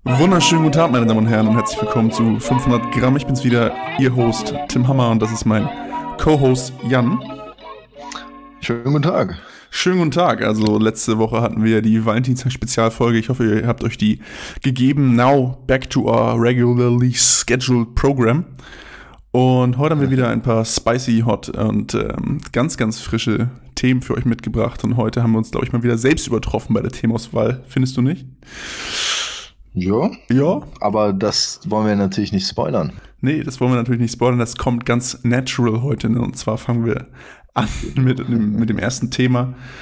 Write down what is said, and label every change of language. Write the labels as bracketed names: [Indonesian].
[German] Wunderschönen guten Tag, meine Damen und Herren, und herzlich willkommen zu 500 Gramm. Ich bin's wieder, Ihr Host Tim Hammer, und das ist mein Co-Host Jan. Schönen guten Tag. Schönen guten Tag. Also letzte Woche hatten wir die Valentinstag-Spezialfolge. Ich hoffe, ihr habt euch die gegeben. [English] Now back to our regularly scheduled program. [German] Und heute haben wir wieder ein paar [English] spicy, hot [German] und ganz, ganz frische Themen für euch mitgebracht. Und heute haben wir uns, glaube ich, mal wieder selbst übertroffen bei der Themenauswahl. Findest du nicht? Ja. Ja. Aber das wollen wir natürlich nicht spoilern. Nee, das wollen wir natürlich nicht spoilern. Das kommt ganz natural heute. Ne? Und zwar fangen wir an mit dem ersten Thema.